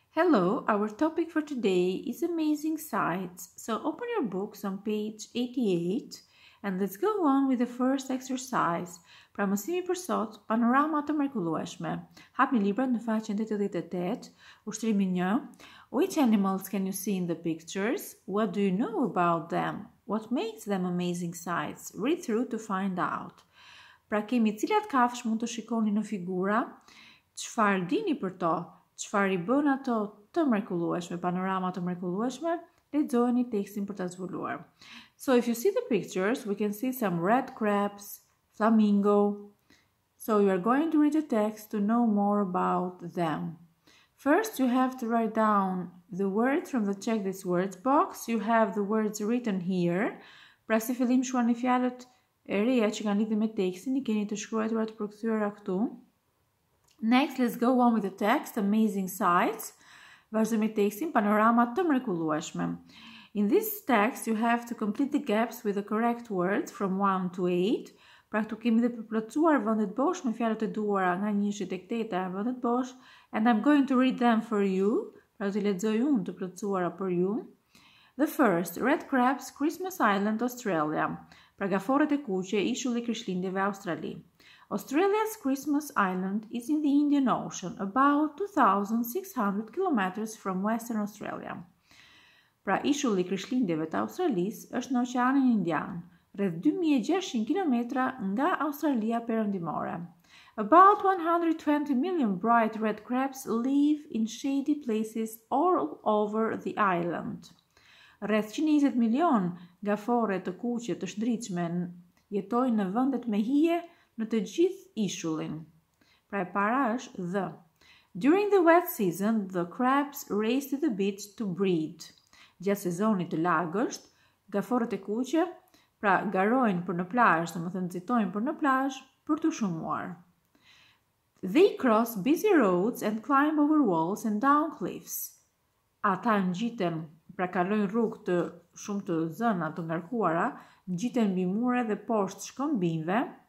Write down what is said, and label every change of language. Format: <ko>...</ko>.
<en>Hello, our topic for today is amazing sights. So open your books on page 88 and let's go on with the first exercise.</en> <sq>Pramësimi për sot, panorama të mrekullueshme. Hap një libër në faqen 88, ushtrimi 1.</sq> <en>Which animals can you see in the pictures? What do you know about them? What makes them amazing sights? Read through to find out.</en> <sq>Pra kemi cilat kafsh mund të shikoni në figura? Çfarë dini për to? Çfarë i bën ato të mrekullueshme, panorama të mrekullueshme, lexojeni tekstin për ta zbuluar.</sq> <en>So if you see the pictures, we can see some red crabs, flamingo. So you are going to read the text to know more about them. First, you have to write down the words from the check this words box. You have the words written here.</en> <sq>Pra si fillim shkruani fjalët e reja që kanë lidhje me tekstin, i keni të shkruar të përkthyera këtu.</sq> <en>Next, let's go on with the text, amazing sights.</en> <sq>Vazhdojmë tekstin, panorama të mrekullueshme.</sq> <en>In this text, you have to complete the gaps with the correct words from 1 to 8.</en> <sq>Pra këtu kemi dhe përplotësuar vendet bosh me fjalët e duara nga 1 tek 8 e vendet bosh.</sq> <en>And I'm going to read them for you.</en> <sq>Pra të lexoj unë të plotësuara për ju.</sq> <en>The first, red crabs, Christmas Island, Australia.</en> <sq>Pra gaforet e kuqe, ishulli krishtlindjeve Australi.</sq> <en>Australia's Christmas Island is in the Indian Ocean, about 2,600 kilometers from Western Australia.</en> <sq>Pra ishulli krishtlindjeve të Australisë është në Oqeanin Indian, rreth 2600 kilometra nga Australia Perëndimore.</sq> <en>About 120 million bright red crabs live in shady places all over the island.</en> <sq>Rreth 120 milion gafore të kuqe të shndritshme jetojnë në vendet me hije në të gjithë ishullin. Pra e para është the.</sq> <en>During the wet season, the crabs race to the beach to breed.</en> <sq>Gjatë sezonit të lagësht, gaforët e kuqe, pra garojnë për në plazh, të më thënë nxitojnë për në plazh, për të shumuar.</sq> <en>They cross busy roads and climb over walls and down cliffs.</en> <sq>Ata ngjiten, pra kalojnë rrugë të shumë të zëna, të ngarkuara, ngjiten mbi mure dhe poshtë shkëmbinjve.</sq>